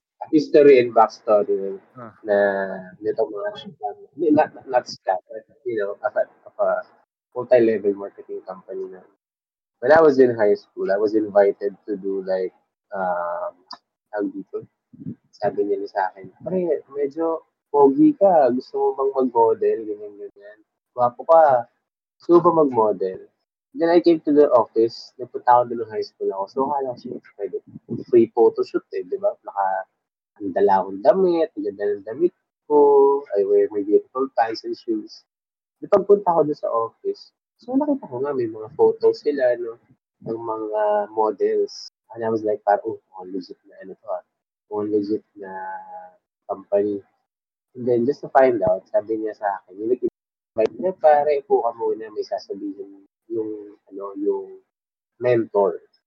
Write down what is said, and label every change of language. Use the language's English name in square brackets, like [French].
[English] History and backstory [Filipino] na nito mga [English] scam. Not scam, you know, a multi-level marketing company na. When I was in high school, I was invited to do like, how do you say? [Filipino] Sabi niya sa akin, pre, medyo pogi ka. Gusto mo bang mag-model? Ganyan. Gwapo ka. Gusto mo bang mag-model? [English] Then I came to the office. [Filipino] Napunta ako doon ng high school ako. So, kala ko siya, free photoshoot eh, di ba? Maka, ang dala akong damit. Ang ganda ng damit ko. [English] I wear my beautiful pants and shoes. [Filipino] Then, pagpunta ako doon sa office, so, nakita ko nga, may mga photos sila, no? Ng mga models. [English] And I was like, parang legit na company. And then, just to find out, [Filipino] sabi niya sa akin, yung nag-invite niya, pare, ipo ka muna, may sasabihin yung mentor.